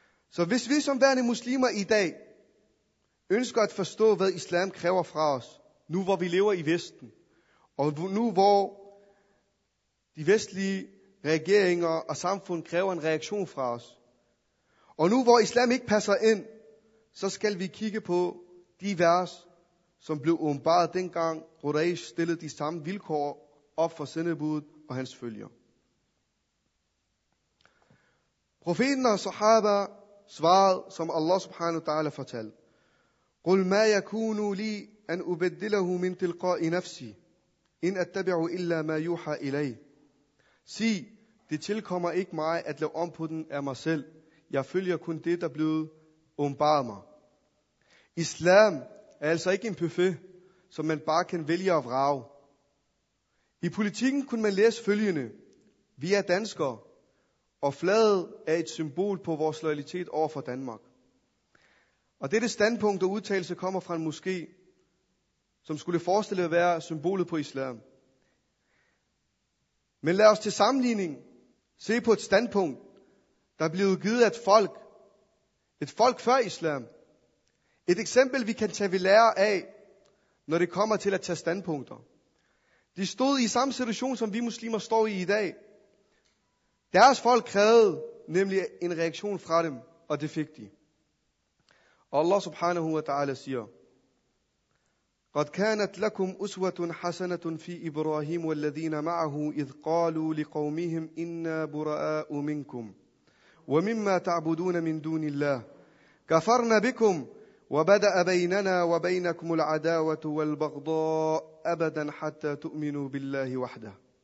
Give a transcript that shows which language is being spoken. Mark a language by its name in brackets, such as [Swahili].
[Danish] Så hvis vi som værende muslimer i dag ønsker at forstå, hvad islam kræver fra os, nu hvor vi lever i Vesten, og nu hvor de vestlige regeringer og samfund kræver en reaktion fra os, og nu hvor islam ikke passer ind, så skal vi kigge på de vers, som blev åbenbaret dengang Quraysh stillede de samme vilkår op for sendebuddet og hans følger. Profeten og sahaba svarede, som Allah subhanahu wa ta'ala fortalte, [Arabic] قُلْ مَا يَكُونُ لِي أَنْ أُبَدِّلَهُ مِنْ تِلْقَاءِ نَفْسِي إِنْ أَتَّبِعُ إِلَّا مَا يُوحَى إِلَيْهِ. [Danish] Sig, det tilkommer ikke mig at lave om på den af mig selv. Jeg følger kun det, der blev åbenbaret mig. Islam er altså ikke en buffet, som man bare kan vælge at vrage. I politikken kunne man læse følgende. Vi er danskere, og flaget er et symbol på vores loyalitet over for Danmark. Og dette standpunkt og udtalelse kommer fra en moské, som skulle forestille at være symbolet på islam. Men lad os til sammenligning se på et standpunkt, der er blevet givet af et folk før islam. Et eksempel, vi kan tage ved lære af, når det kommer til at tage standpunkter. De stod i samme situation, som vi muslimer står i dag. Deres folk krævede nemlig en reaktion fra dem, og det fik de. Allah subhanahu wa ta'ala siger, [Arabic] قَدْ كَانَتْ لَكُمْ أُسْوَةٌ حَسَنَةٌ فِي إِبْرَاهِيمُ وَالَّذِينَ مَعَهُ إِذْ قَالُوا لِقَوْمِهِمْ إِنَّا بُرَآءُ مِنْكُمْ ومما تعبدون من دون الله كفرنا بكم وبدأ بيننا وبينكم العداوة والبغضاء أبدا حتى تؤمنوا بالله وحده.